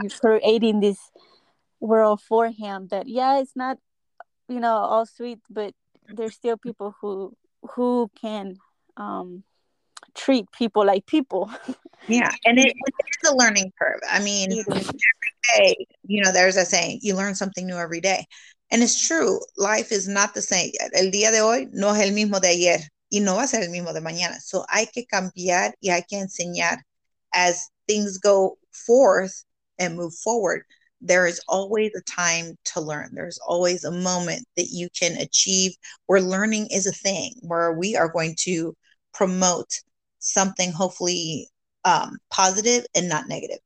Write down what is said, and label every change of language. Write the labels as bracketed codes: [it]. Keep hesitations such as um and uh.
[en] you creating this world for him. That yeah, it's not you know all sweet, but there's still people who who can um treat people like people. Yeah, and it, it is a learning curve. I mean, It is. hey, you know, there's a saying, you learn something new every day. And it's true, life is not the same. [es] El día de hoy no es el mismo de ayer y no va a ser el mismo de mañana. So hay que cambiar y hay que enseñar. [en] As things go forth and move forward, there is always a time to learn. There's always a moment that you can achieve where learning is a thing, where we are going to promote something hopefully um, positive and not negative.